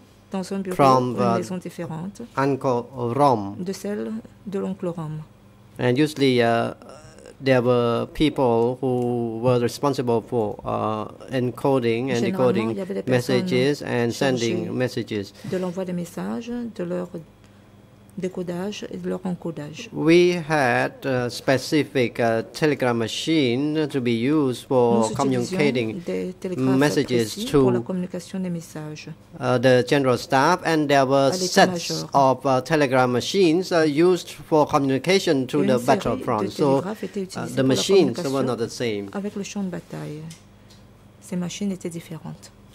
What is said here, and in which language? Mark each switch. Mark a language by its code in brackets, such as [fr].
[fr] dans un bureau ou une maison différente de celle de l'oncle Rome. [en] And usually there were people who were responsible for encoding and decoding messages and sending messages. [fr] De l'envoi des messages, de leur décodage et de leur encodage. [en] We had a specific telegram machine to be used for communicating messages to the general staff, and there were sets of telegram machines used for communication to the battlefront. So the machines were not the same. [fr] Avec le champ de bataille, ces machines étaient différentes.